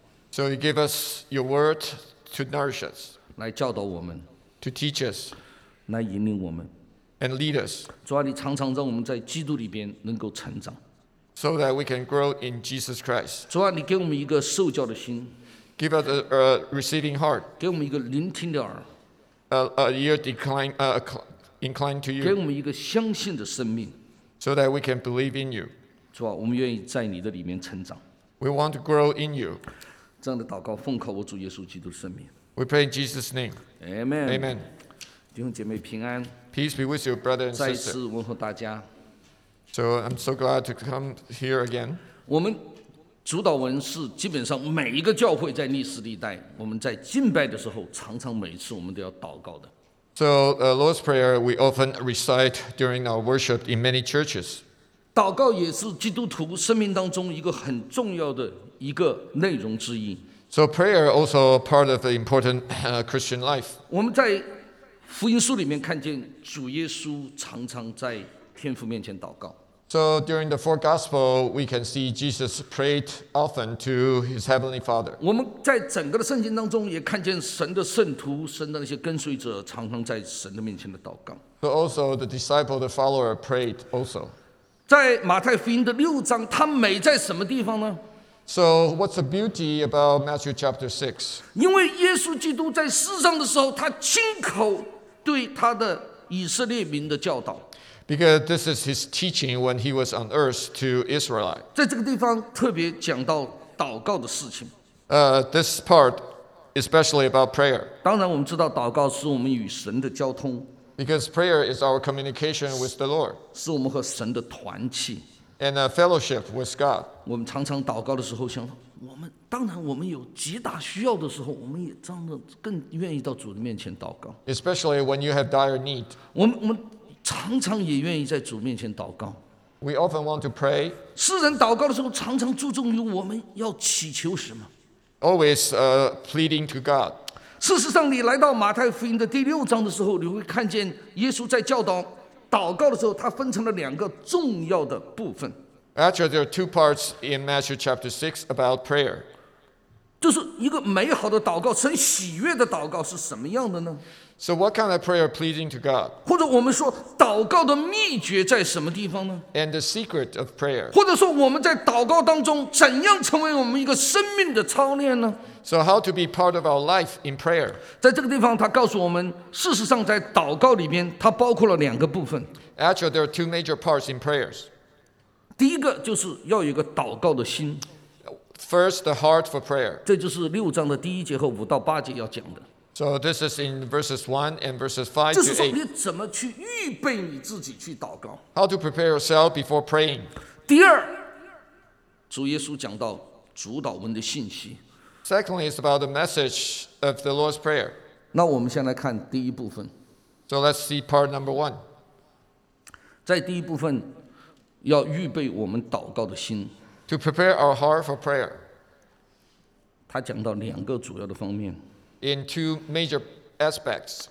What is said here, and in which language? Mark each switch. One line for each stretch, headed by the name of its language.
English: So you give us your word to nourish us.
Chinese: 来教导我们。
English: To teach us.
Chinese: 来引领我们。
English: And lead us.
Chinese: 主啊，你常常让我们在基督里边能够成长。
English: So that we can grow in Jesus Christ.
Chinese: 主啊，你给我们一个受教的心。
English: Give us a receiving heart.
Chinese: 给我们一个聆听的耳。
English: A ear inclined to you.
Chinese: 给我们一个相信的生命。
English: So that we can believe in you.
Chinese: 主啊，我们愿意在你的里面成长。
English: We want to grow in you.
Chinese: 这样的祷告，奉靠我主耶稣基督的圣名。
English: We pray in Jesus' name. Amen. Amen.
Chinese: 弟兄姐妹平安。
English: Peace be with you, brother and sister.
Chinese: 再次问候大家。
English: So I'm so glad to come here again.
Chinese: 我们主祷文是基本上每一个教会在历史历代，我们在敬拜的时候，常常每一次我们都要祷告的。
English: So Lord's Prayer we often recite during our worship in many churches.
Chinese: 祷告也是基督徒生命当中一个很重要的一个内容之一。
English: So prayer also part of the important Christian life.
Chinese: 我们在福音书里面看见主耶稣常常在天父面前祷告。
English: So during the four Gospels, we can see Jesus prayed often to his heavenly Father.
Chinese: 我们在整个的圣经当中也看见神的圣徒、神的那些跟随者常常在神的面前的祷告。
English: So also the disciple, the follower prayed also.
Chinese: 在马太福音的六章，他美在什么地方呢？
English: So what's the beauty about Matthew chapter 6?
Chinese: 因为耶稣基督在世上的时候，他亲口对他的以色列民的教导。
English: Because this is his teaching when he was on earth to Israelite.
Chinese: 在这个地方特别讲到祷告的事情。
English: This part especially about prayer.
Chinese: 当然我们知道祷告是我们与神的交通。
English: Because prayer is our communication with the Lord.
Chinese: 是我们和神的团契。
English: And a fellowship with God.
Chinese: 我们常常祷告的时候想，我们当然我们有极大需要的时候，我们也真的更愿意到主的面前祷告。
English: Especially when you have dire need.
Chinese: 我们常常也愿意在主面前祷告。
English: We often want to pray.
Chinese: 世人祷告的时候常常注重于我们要祈求什么。
English: Always pleading to God.
Chinese: 事实上你来到马太福音的第六章的时候，你会看见耶稣在教导祷告的时候，它分成了两个重要的部分。
English: Actually, there are two parts in Matthew chapter 6 about prayer.
Chinese: 就是一个美好的祷告，神喜悦的祷告是什么样的呢？
English: So what kind of prayer pleasing to God?
Chinese: 或者我们说祷告的秘诀在什么地方呢？
English: And the secret of prayer.
Chinese: 或者说我们在祷告当中怎样成为我们一个生命的操练呢？
English: So how to be part of our life in prayer?
Chinese: 在这个地方他告诉我们，事实上在祷告里面它包括了两个部分。
English: Actually, there are two major parts in prayers.
Chinese: 第一个就是要有一个祷告的心。
English: First, the heart for prayer.
Chinese: 这就是六章的第一节和五到八节要讲的。
English: So this is in verses 1 and verses 5 to 8.
Chinese: 就是说你怎么去预备你自己去祷告。
English: How to prepare yourself before praying.
Chinese: 第二，主耶稣讲到主导文的信息。
English: Secondly, it's about the message of the Lord's Prayer.
Chinese: 那我们先来看第一部分。
English: So let's see part number one.
Chinese: 在第一部分，要预备我们祷告的心。
English: To prepare our heart for prayer.
Chinese: 他讲到两个主要的方面。
English: In two major aspects.